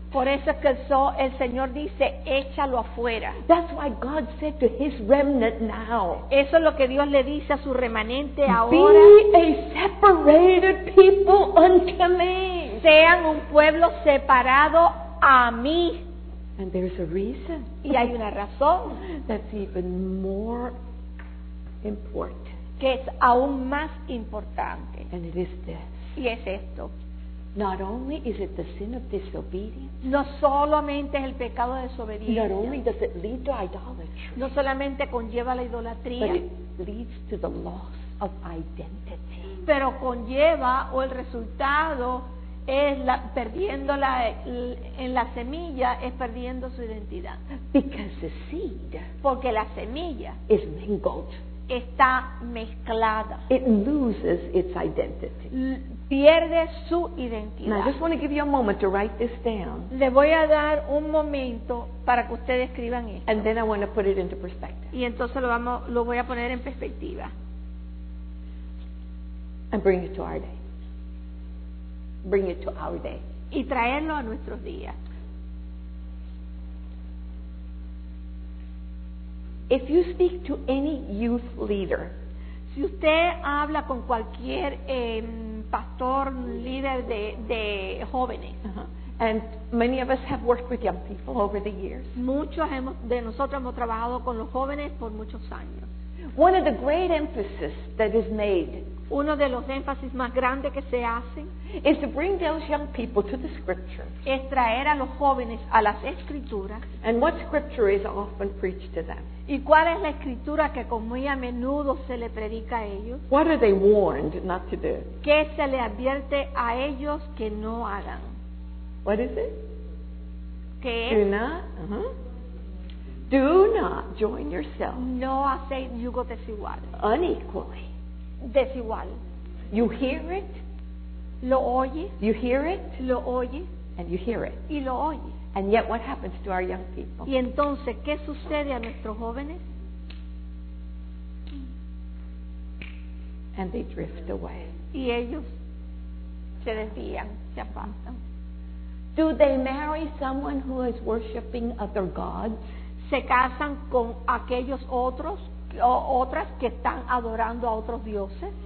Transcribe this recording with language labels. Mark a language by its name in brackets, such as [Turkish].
[Spanish] Por eso es que el Señor dice, échalo afuera. [English] That's why God said to his remnant now, [Spanish] eso es lo que Dios le dice a su remanente ahora. [English] Be a separated people unto me. [Spanish] Sean un pueblo separado a mí. [English] And there's a reason. [Spanish] Y hay una razón. [English] That's even more important. [Spanish] Que es aún más importante. [English] And it is this. [Spanish] Y es esto. [English] Not only is it the sin of disobedience. [Spanish] No solamente es el pecado de desobediencia. [English] Not only does it lead to idolatry. [Spanish] No solamente conlleva la idolatría. [English] But it leads to the loss of identity. [Spanish] Pero conlleva o el resultado es la, perdiendo la, en la semilla es perdiendo su identidad. [English] Because the seed, [Spanish] porque la semilla [English] is mingled, [Spanish] está mezclada. [English] It loses its identity. [Spanish] Pierde su identidad. [English] Now, I just want to give you a moment to write this down. [Spanish] Le voy a dar un momento para que ustedes escriban esto. [English] And then I want to put it into perspective. [Spanish] Y entonces lo voy a poner en perspectiva. [English] And bring it to our day. Bring it to our day. [Spanish] Y traerlo a nuestros días. [English] If you speak to any youth leader, [Spanish] si usted habla con cualquier pastor líder de jóvenes, [English] and many of us have worked with young people over the years, [Spanish] muchos de nosotros hemos trabajado con los jóvenes por muchos años. [English] One of the great emphasis that is made. [Spanish] Uno de los énfasis más grandes que se hacen [English] is to bring those young people to the scriptures. [Spanish] Es traer a los jóvenes a las escrituras. [English] And what scripture is often preached to them? [Spanish] ¿Y cuál es la escritura que muy a menudo se le predica a ellos? [English] What are they warned not to do? [Spanish] ¿Qué se le advierte a ellos que no hagan? [English] What is it? [Spanish] ¿Qué es? [English] Do not. Do not join yourself. [Spanish] No hacéis yugo desigual. [English] Unequally. [Spanish] Desigual. [English] You hear it. [Spanish] Lo oye. [English] You hear it. [Spanish] Lo oye. [English] And you hear it. [Spanish] Y lo oye. [English] And yet what happens to our young people? [Spanish] Y entonces, ¿qué sucede a nuestros jóvenes? [English] And they drift away. [Spanish] Y ellos se desvían, se apartan. [English] Do they marry someone who is worshiping other gods? [Spanish] ¿Se casan con aquellos otros? O otras que están adorando a otros dioses.